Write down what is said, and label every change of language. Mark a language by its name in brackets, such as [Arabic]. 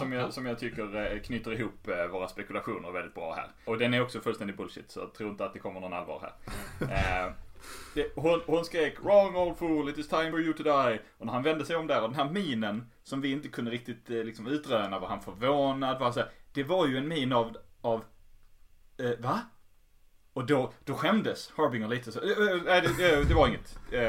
[Swedish] Som jag tycker knyter ihop våra spekulationer väldigt bra här. Och den är också fullständigt bullshit, så jag tror inte att det kommer någon allvar här. Hon skrek [English] "Wrong, old fool, it is time for you to die." [Swedish] Och när han vände sig om där, och den här minen som vi inte kunde riktigt liksom utröna, var han förvånad, var så här, det var ju en min av va? Och då skämdes Harbinger lite, så det var inget.